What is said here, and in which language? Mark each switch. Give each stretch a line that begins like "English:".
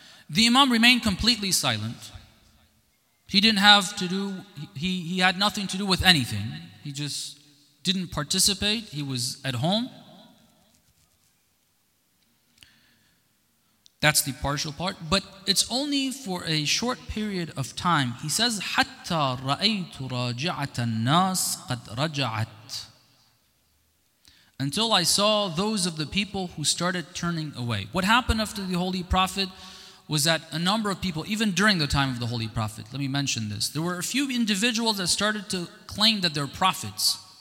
English: The Imam remained completely silent. He didn't have to do, he had nothing to do with anything. He just didn't participate. He was at home. That's the partial part. But it's only for a short period of time. He says,
Arabic: حَتَّى رَأَيْتُ رَاجِعَةَ النَّاسِ قَدْ رَجَعَتْ.
English: Until I saw those of the people who started turning away. What happened after the Holy Prophet was that a number of people, even during the time of the Holy Prophet, let me mention this, there were a few individuals that started to claim that they're prophets.